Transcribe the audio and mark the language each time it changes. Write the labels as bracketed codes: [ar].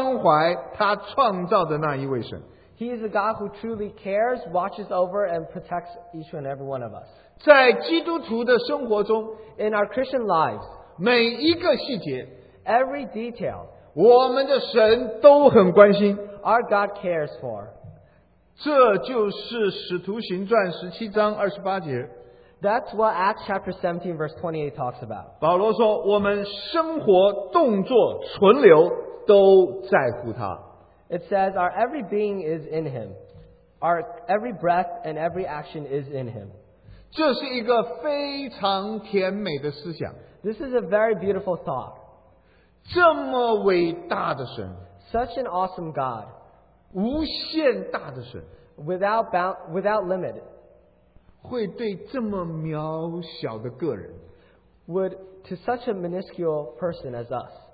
[zh] 他是一个积极参与管理带领关怀他创造的那一位神. [en] He is a God who truly cares, watches over, and protects each and every one of us. [zh] 在基督徒的生活中, [en] in our Christian lives, [zh] 每一个细节, [en] every detail, [zh] 我们的神都很关心, [en] our God cares for. [zh] 这就是使徒行传 17章 28节, [en] That's what Acts chapter 17 verse 28 talks about. [zh] 保罗说, 我们生活, 动作, 存留, 都在乎他。 [en] It says our every being is in him. Our every breath and every action is in him. [zh] 这是一个非常甜美的思想。 [en] This is a very beautiful thought. [zh] 这么伟大的神, [en] Such an awesome God. [zh] 无限大的神, [en] without limit. [zh] 会对这么渺小的个人, [en] would to such a minuscule person as us,